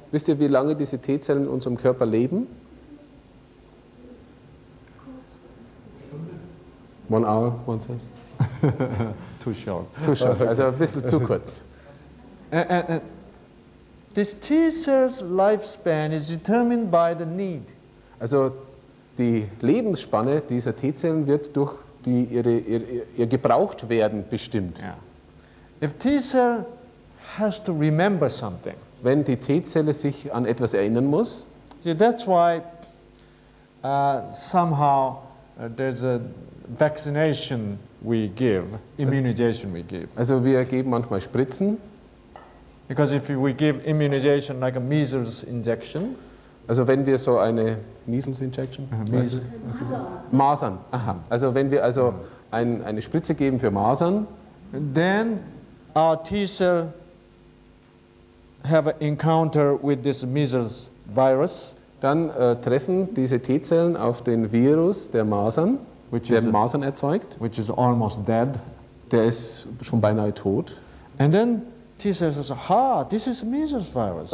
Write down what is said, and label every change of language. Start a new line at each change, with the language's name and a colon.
German: Wisst ihr, wie lange diese T-Zellen in unserem Körper leben?
English: 1 hour, one says. Too short. Too short. Okay.
German: Also ein bisschen zu kurz.
English: This T cell's lifespan is determined by the need.
German: Also die Lebensspanne dieser T-Zellen wird durch ihr gebraucht werden bestimmt.
English: Yeah. If T cell has to remember something.
German: Wenn die T-Zelle sich an etwas erinnern muss.
English: See, that's why somehow there's a vaccination we give, immunization we give.
German: Also wir geben manchmal Spritzen.
English: Because if we give immunization like a measles injection.
German: Also wenn wir so eine
English: measles injection?
German: Masern. Aha. Also wenn wir also eine Spritze geben für Masern.
English: Then our T-cell have an encounter with this measles virus.
German: Dann treffen diese T-Zellen auf den Virus der Masern. Der Masern erzeugt,
English: which is almost dead.
German: Der ist schon beinahe tot.
English: And then T cells say, "Ha, this is measles virus."